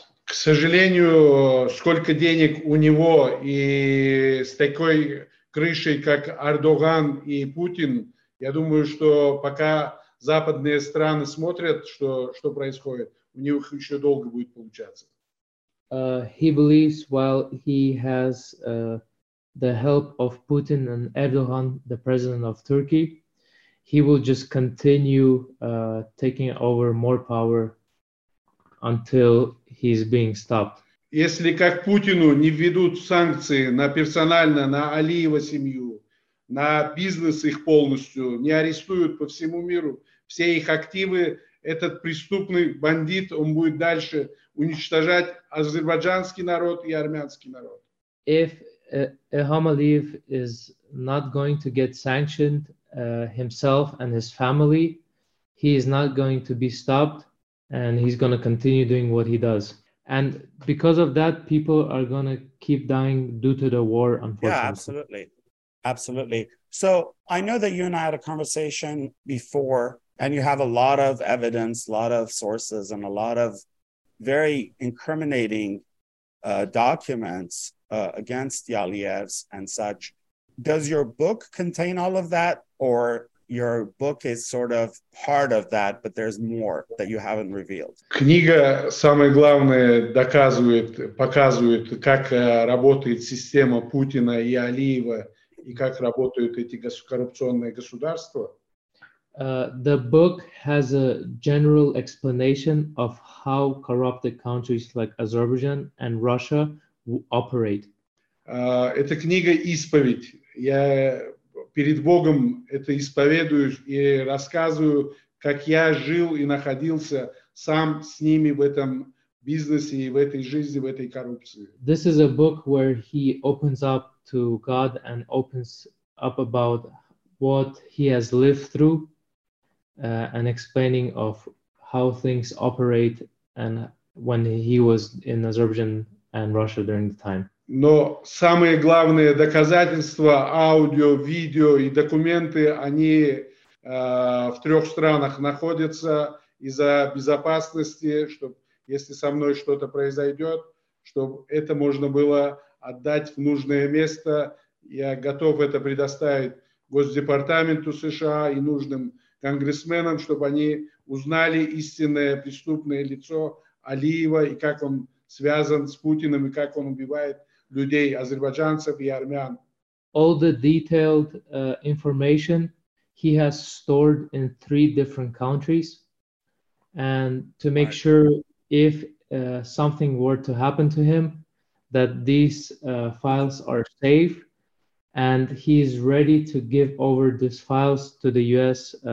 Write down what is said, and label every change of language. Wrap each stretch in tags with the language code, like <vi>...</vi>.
<ru>К сожалению, сколько денег у него и с такой крышей, как Эрдоган и Путин, я думаю, что пока западные страны смотрят, что происходит, у них еще долго будет получаться.</ru> <en>He believes while he has the help of Putin and Erdogan, the president of Turkey, he will just continue taking over more power until he's being stopped.</en> <ru>Если как Путину не введут санкции на Алиева семью, на бизнес их полностью, не арестуют по всему миру, все их активы, этот преступный бандит, он будет дальше уничтожать азербайджанский народ и армянский народ.</ru> <en>If Ilham Aliyev is not going to get sanctioned himself and his family, he is not going to be stopped and he's going to continue doing what he does. And because of that, people are going to keep dying due to the war, unfortunately. Yeah, absolutely. Absolutely. So I know that you and I had a conversation before, and you have a lot of evidence, a lot of sources, and a lot of very incriminating documents against Yaliyevs and such. Does your book contain all of that, or your book is sort of part of that, but there's more that you haven't revealed?</en> <ru>Книга, самое главное, доказывает, показывает, как работает система Путина и Алиева, и как работают эти коррупционные государства.</ru> <en>The book has a general explanation of how corrupted countries like Azerbaijan and Russia operate.</en> <ru>Это книга исповедь. Я перед Богом это исповедую и рассказываю, как я жил и находился сам с ними в этом бизнесе и в этой жизни, в этой коррупции.</ru> <en>This is a book where he opens up to God and opens up about what he has lived through. And explaining of how things operate and when he was in Azerbaijan and Russia during the time.</en> <ru>Но самые главные доказательства, аудио, видео и документы, они в трех странах находятся из-за безопасности, чтобы если со мной что-то произойдет, чтобы это можно было отдать в нужное место. Я готов это предоставить Госдепартаменту США и нужным конгрессменам, чтобы они узнали истинное преступное лицо Алиева и как он связан с Путиным и как он убивает людей, азербайджанцев и армян.</ru> <en>All the detailed information he has stored in three different countries, and to make right. sure if something were to happen to him, that these files are safe. And he is ready to give over these files to the U.S.</en>